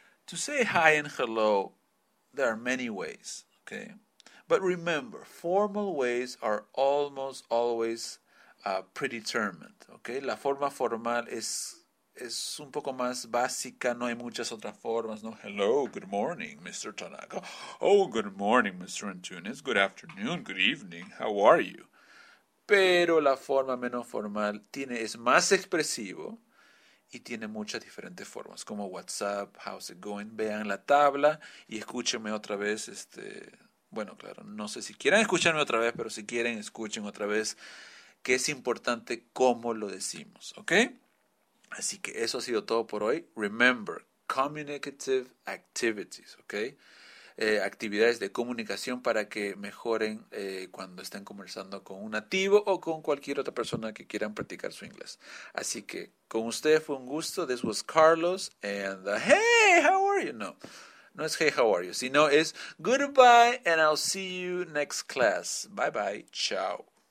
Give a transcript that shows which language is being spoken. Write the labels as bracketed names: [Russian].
[English] To say hi and hello, there are many ways, okay? But remember, formal ways are almost always predetermined, okay? [Spanish] La forma formal es un poco más básica, no hay muchas otras formas, ¿no? [English] Hello, good morning, Mr. Tanaka. Oh, good morning, Mr. Antunes. Good afternoon, good evening. How are you? [Spanish] Pero la forma menos formal es más expresivo y tiene muchas diferentes formas, como [English] WhatsApp, how's it going. [Spanish] Vean la tabla y escúchenme otra vez. Bueno, claro, no sé si quieran escucharme otra vez, pero si quieren, escuchen otra vez que es importante cómo lo decimos, ¿ok? Así que eso ha sido todo por hoy. [English] Remember, communicative activities, [Spanish] ¿ok? Actividades de comunicación para que mejoren cuando estén conversando con un nativo o con cualquier otra persona que quieran practicar su inglés. Así que con ustedes fue un gusto. [English] This was Carlos. And hey, how are you? [Spanish] No es [English] hey, how are you, [Spanish] sino es [English] goodbye and I'll see you next class. Bye bye. [Spanish] Chao.